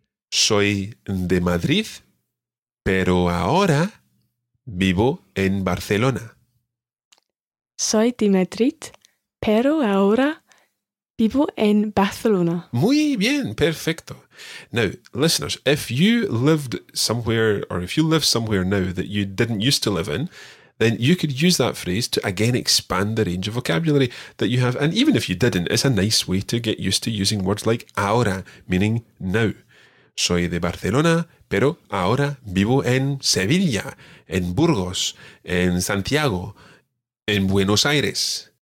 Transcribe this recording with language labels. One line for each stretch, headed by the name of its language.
Spanish: Soy de Madrid, pero ahora vivo en Barcelona. Soy de Madrid, pero ahora vivo en Barcelona. Muy bien, perfecto.
English: Now, listeners, if you lived somewhere, or if you live somewhere now that you didn't used to live in, then you could use that phrase to again expand the range of vocabulary that you have. And even if you didn't, it's a nice way to get used to using words like ahora, meaning now.
Spanish: Soy de Barcelona, pero ahora vivo en Sevilla, en Burgos, en Santiago, en Buenos Aires.